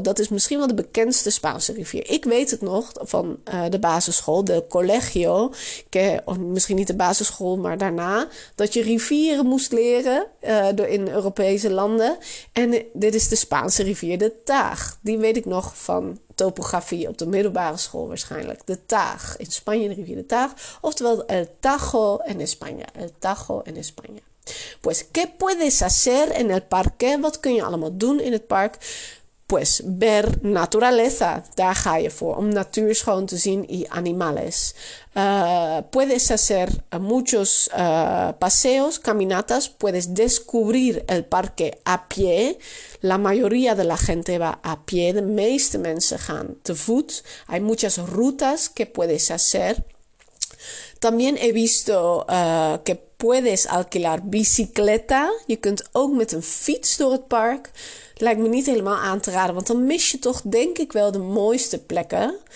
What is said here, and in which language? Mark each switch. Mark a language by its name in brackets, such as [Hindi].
[Dutch] Dat is misschien wel de bekendste Spaanse rivier. Ik weet het nog van de basisschool, de colegio. Of misschien niet de basisschool, maar daarna. Dat je rivieren moest leren in Europese landen. En dit is de Spaanse rivier, de Taag. Die weet ik nog van topografie op de middelbare school waarschijnlijk. De Taag in Spanje, de rivier de Taag. [Spanish] Oftewel El Tajo en España. El Tajo en España. Pues, ¿qué puedes hacer en el parque? [Dutch] Wat kun je allemaal doen in het park? [Spanish] Pues, ver naturaleza. [Dutch] Daar ga je voor, om natuur schoon te zien [Spanish] y animales. Puedes hacer muchos paseos, caminatas. Puedes descubrir el parque a pie. La mayoría de la gente va a pie. [Dutch] De meeste mensen gaan te voet. [Spanish] Hay muchas rutas que puedes hacer. También he visto que puedes alquilar bicicleta. [Dutch] Je kunt ook met een fiets door het park. Lijkt me niet helemaal aan te raden, want dan mis je toch denk ik wel de mooiste plekken.